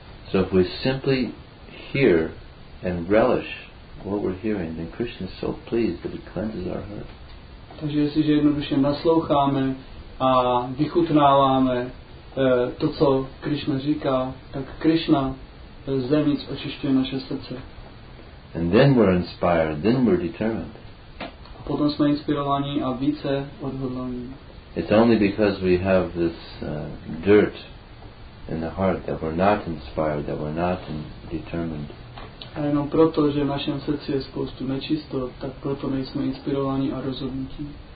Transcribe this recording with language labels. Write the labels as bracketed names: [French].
[English] So if we simply hear and relish what we're hearing, then Krishna is so pleased that it cleanses our heart. [Czech] Takže jestliže jednoduše nasloucháme a vychutnáváme to, co Krishna říká, tak Krishna zevnitř očišťuje naše srdce. [English] And then we're inspired, then we're determined. [Czech] A potom jsme inspirovaní a více odhodlaní. [English] it's only because we have this dirt in the heart that we're not inspired, that we're not determined. [Czech] A jenom proto, že v našem srdci je spoustu nečistot, tak proto nejsme inspirováni a rozhodnutí.